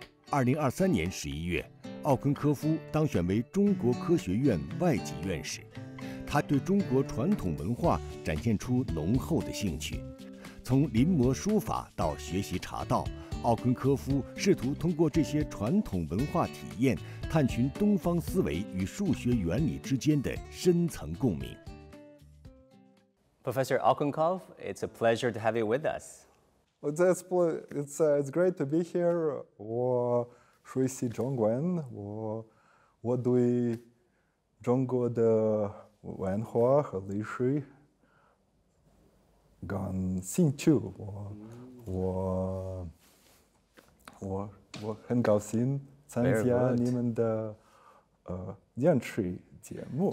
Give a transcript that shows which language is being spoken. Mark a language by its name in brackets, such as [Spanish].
[Chinese] 2023年11月，奥昆科夫当选为中国科学院外籍院士，他对中国传统文化展现出浓厚的兴趣。从临摹书法到学习茶道，奥昆科夫试图通过这些传统文化体验，探寻东方思维与数学原理之间的深层共鸣。 [English] Professor Alkunkov, it's a pleasure to have you with us. It's great to be here. [Chinese] 我熟悉中国人，我对中国的文化和历史感兴趣，我很高兴参加你们的电视节目。